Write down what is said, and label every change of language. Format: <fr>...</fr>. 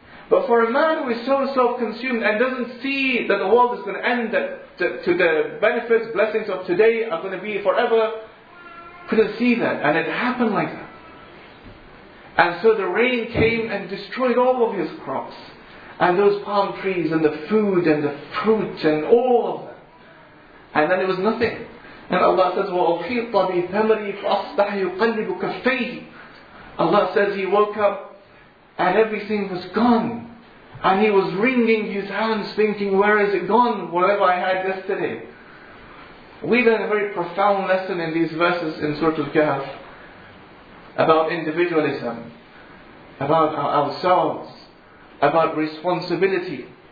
<en>But for a man who is so self-consumed and doesn't see that the world is going to end, that to the benefits, blessings of today are going to be forever, couldn't see that. And it happened like that. And so the rain came and destroyed all of his crops. and those palm trees and the food and the fruit and all of them. And then it was nothing. And Allah says,</en> <ar>وَأُخِيطَ بِثَمَرِي فَأَصْبَحَ يُقَلِّبُ كَفَّيْهِ.</ar> <en>Allah says he woke up and everything was gone. And he was wringing his hands thinking, where is it gone? Whatever I had yesterday. We learn a very profound lesson in these verses in Surah Al-Kahf about individualism, about ourselves, about responsibility.</en>